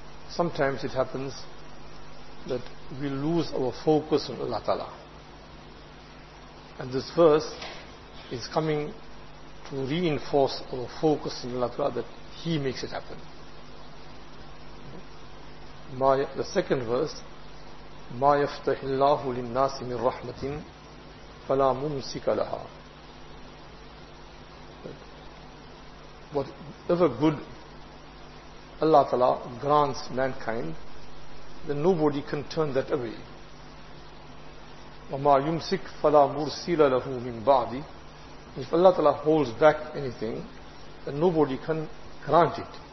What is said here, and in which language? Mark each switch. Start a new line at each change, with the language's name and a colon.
English: Sometimes it happens that we lose our focus on Allah Ta'ala. And this verse is coming to reinforce our focus on Allah Ta'ala, that He makes it happen. The second verse,
Arabic: مَا يَفْتَحِ اللَّهُ لِلنَّاسِ مِنْ رَحْمَةٍ فَلَا مُمْسِكَ لَهَا.
English: Whatever good Allah Ta'ala grants mankind, then nobody can turn that away.
Arabic: وَمَا يُمْسِكْ فَلَا مُرْسِلَ لَهُ مِنْ بَعْدِ.
English: If Allah Ta'ala holds back anything, then nobody can grant it.